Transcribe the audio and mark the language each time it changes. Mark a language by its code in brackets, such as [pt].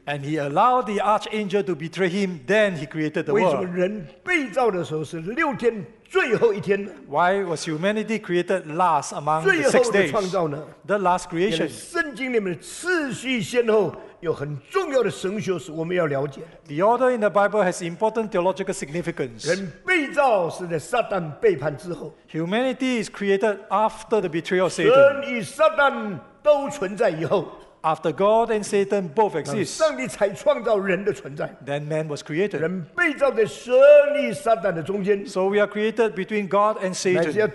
[en] And he allowed the archangel to betray him, then he created the world. [zh] 为什么人被造的时候是六天最后一天? [en] Why was humanity created last among the 6 days? [zh] 最后的创造呢? [en] The last creation. [zh] 圣经里面的次序先后, 有很重要的神学史我们要了解。 [en] The order in the Bible has important theological significance. [zh] 人被造是在撒旦背叛之后。 [en] Humanity is created after the betrayal of Satan. [zh] 神与撒旦都存在以后。 [en] After God and Satan both exist, [zh] 上帝才创造人的存在, [en] then man was created. [zh] 人被造在神与撒旦的中间, [en] so we are created between God and Satan.